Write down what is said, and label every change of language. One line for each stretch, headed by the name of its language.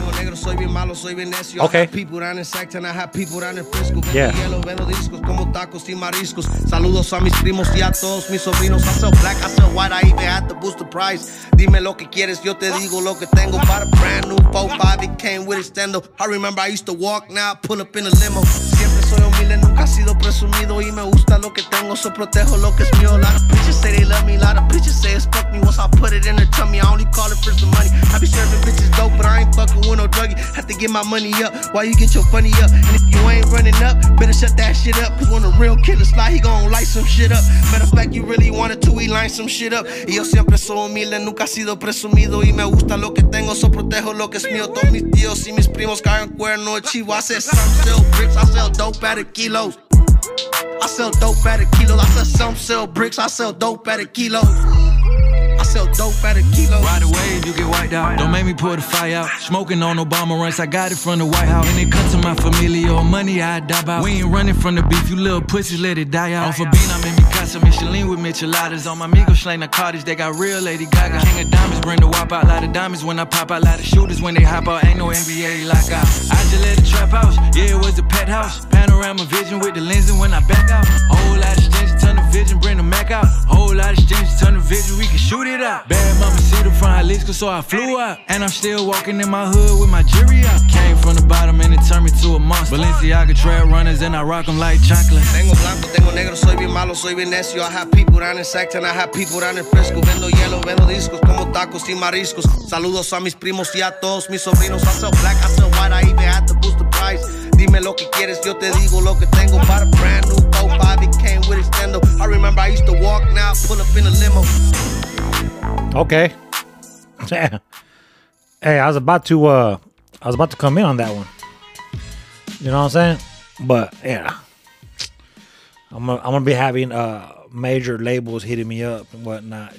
English: I remember I used to walk, now I pull up in a limo.
Spanish: Siempre soy humilde, nunca sido presumido. Y me gusta lo que tengo, so protejo lo que es mío. A lot of bitches say they love me, a lot of bitches say expect me. Once I put it in their tummy, I only call it for some money. I be serving bitches dope, but I ain't fucking with no druggie. Have to get my money up while you get your funny up. And if you ain't running up, better shut that shit up. Cause when a real killer slide, he gon' light some shit up. Matter of fact, you really wanted to, we line some shit up. Y yo siempre soy humilde, nunca sido presumido. Y me gusta lo que tengo, so protejo lo que es mío. Todos mis tíos y mis primos caen cuerno de chivo.
English: I said some sell bricks, I sell dope at a kilo. I sell dope at a kilo. I said some sell bricks, I sell dope at a kilo. Dope at a kilo. Right away, you get wiped out. Don't make me pour the fire out. Smoking on Obama rice, I got it from the White House. And it cuts to my familia, money I die about. We ain't running from the beef, you little pussies, let it die out. Off a bean, I'm in Mikasa, Michelin with Micheladas. All my amigos slain the cottage, they got real Lady Gaga. King of diamonds, bring the wop out. Lot of diamonds when I pop out. Lot of shooters when they hop out. Ain't no NBA lockout. I just let it trap house, yeah, it was a pet house. Panorama vision with the lens, and when I back out, whole lot of stench, turn the vision, bring the Mac out. Whole lot of stench, turn the vision, we can shoot it out. Bad mama see the front Jalisco, so I flew up. And I'm still walking in my hood with my jewelry up. Came from the bottom and it turned me to a monster. Balenciaga trail runners and I rock them like chocolate.
Spanish: Tengo blanco, tengo negro, soy bien malo, soy bien necio.
English: I have people down in Sacton, I have people down in Frisco.
Spanish: Vendo yellow, vendo discos, como tacos y mariscos. Saludos a mis primos y a todos mis sobrinos.
English: I sell black, I sell white, I even had to boost the price.
Spanish: Dime lo que quieres, yo te digo lo que tengo.
English: Bought a brand new boat, Bobby came with his stendo. I remember I used to walk, now I pull up in a limo. Okay. Hey, I was about to come in on that one. You know what I'm saying? But yeah, I'm gonna be having major labels hitting me up and whatnot.